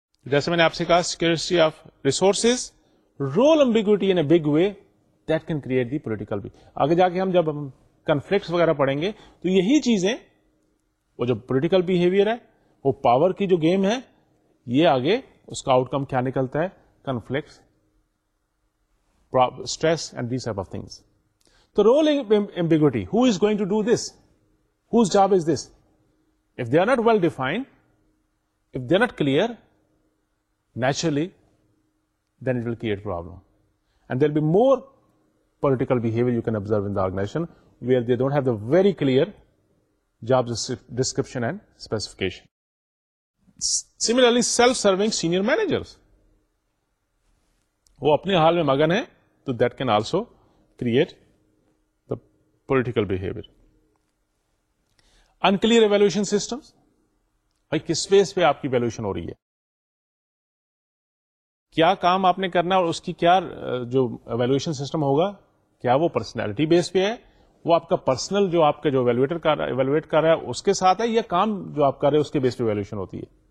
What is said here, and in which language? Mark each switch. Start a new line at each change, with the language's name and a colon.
Urdu: جیسے میں نے آپ سے کہا
English: Security of resources, role ambiguity in a big way, that can create the political بھی.
Urdu: آگے جا کے ہم جب کنفلکٹس وغیرہ پڑھیں گے تو یہی چیزیں, وہ جو پولیٹیکل بہیویئر ہے, وہ پاور کی جو گیم ہے, یہ آگے اس کا آؤٹ کم کیا نکلتا ہے, conflicts, stress and this type of things.
English: تو role ambiguity, who is going to do this, whose job is this, if they are not well defined, if they are not clear, naturally then it will create problem, and there be more political behaviour you can observe in the organization where they don't have the very clear job description and specification. Similarly self serving senior managers,
Urdu: وہ اپنے حال میں مگن ہے,
English: تو that can also create the political behaviour.
Urdu: Unclear evaluation system, بھائی کس بیس پہ آپ کی ایویلویشن ہو رہی ہے, کیا کام آپ نے کرنا اور اس کی کیا جو ایویلویشن سسٹم ہوگا, کیا وہ پرسنالٹی بیس پہ ہے, وہ آپ کا پرسنل جو آپ کا جو ایویلویٹر ایویلویٹ کر رہا ہے اس کے ساتھ ہے, یا کام جو آپ کر رہے ہیں اس کے بیس پہ ایویلویشن ہوتی ہے.